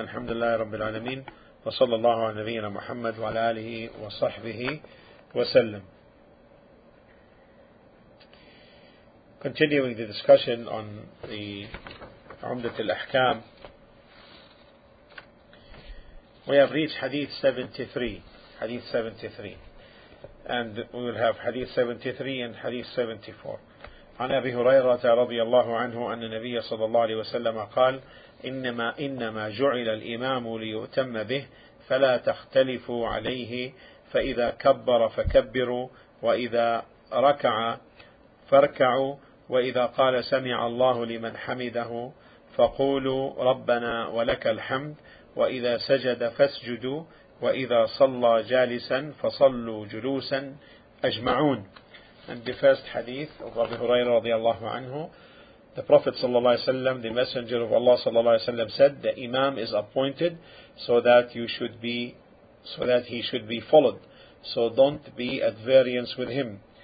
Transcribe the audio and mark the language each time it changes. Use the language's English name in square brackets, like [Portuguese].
[Arabic] الحمد لله رب العالمين، وصلى الله على نبينا محمد وعلى آله وصحبه وسلم. [English] Continuing the discussion on the عمدة الأحكام, we have reached Hadith 73, and we will have Hadith 73 and Hadith 74. [Arabic] عن أبي هريرة رضي الله عنه أن النبي صلى الله عليه وسلم قال إنما جعل الإمام ليؤتم به فلا تختلفوا عليه، فإذا كبر فكبروا، وإذا ركع فاركعوا، وإذا قال سمع الله لمن حمده فقولوا ربنا ولك الحمد، وإذا سجد فاسجدوا، وإذا صلى جالسا فصلوا جلوسا أجمعون. [English] And the first hadith of Abu Huraira رضي الله عنه, the Prophet sallallahu alaihi wasallam, the Messenger of Allah sallallahu alaihi wasallam, said the Imam is appointed so that he should be followed. So don't be at variance with him.